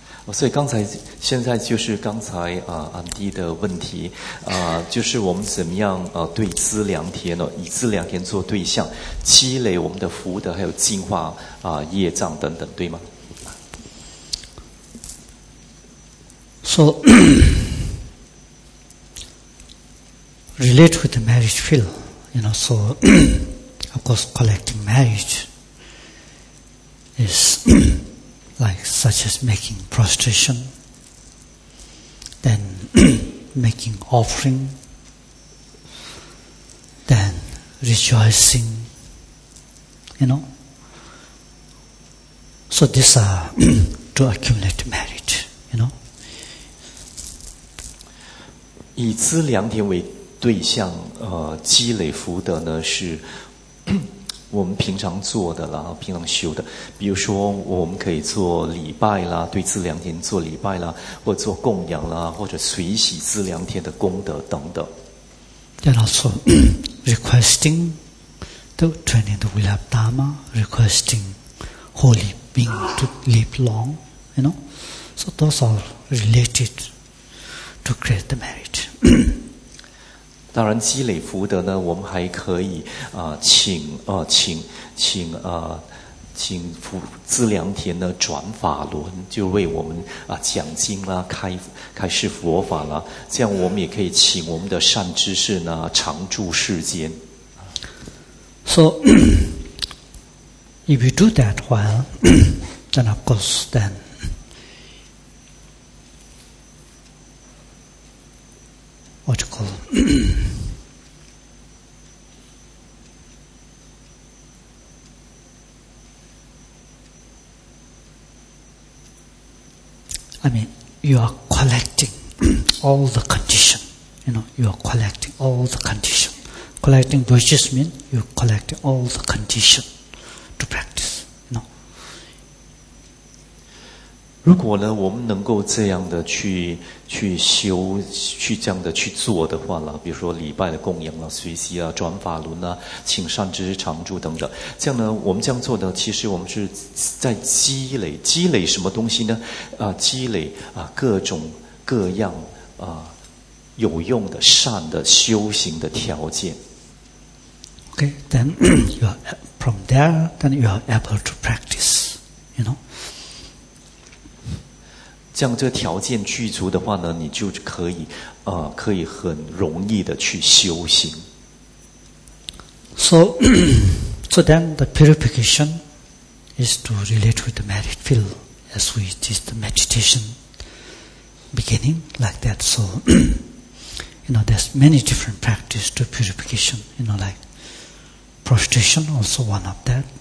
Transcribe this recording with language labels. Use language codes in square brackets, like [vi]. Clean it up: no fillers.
[zh] 所以刚才现在就是刚才安迪的问题就是我们怎么样对资粮田以资粮田做对象积累我们的福德还有净化业障等等，对吗？ [en] So relate with the marriage field, you know, so of course collecting marriage is like such as making prostration, then making offering, then rejoicing, you know. So these are to accumulate merit, you know. [zh] 以资粮田为对象积累福德呢是我们平常做的啦，平常修的，比如说我们可以做礼拜啦，对资粮田做礼拜啦，或者做供养啦，或者随喜资粮田的功德等等。 [en] Then also requesting the training the Wheel of Dharma, requesting holy being to live long, you know. So those are related to create the merit. [zh] 当然积累福德呢，我们还可以请福资粮田呢转法轮，就为我们讲经啦，开示佛法啦，这样我们也可以请我们的善知识呢常住世间。 [en] So if you do that while, then of course then. What you call I mean, you are collecting all the condition. You know, you are collecting all the condition. Collecting virtues means you collect all the condition to practice. You know. [zh] 如果呢，我们能够这样的去修，去这样的去做的话呢，比如说礼拜的供养啦，随喜啊，转法轮啊，请善知识常住等等，这样呢，我们这样做呢，其实我们是在积累什么东西呢？积累各种各样有用的善的修行的条件。 [en] Okay, then you are from there, then you are able to practice, you know. [zh] 这样这个条件具足的话呢，你就可以可以很容易的去修行。 [en] So then the purification is to relate with the merit field as we did the meditation beginning like that. So you know there's many different practices to purification. You know like prostration also one of that.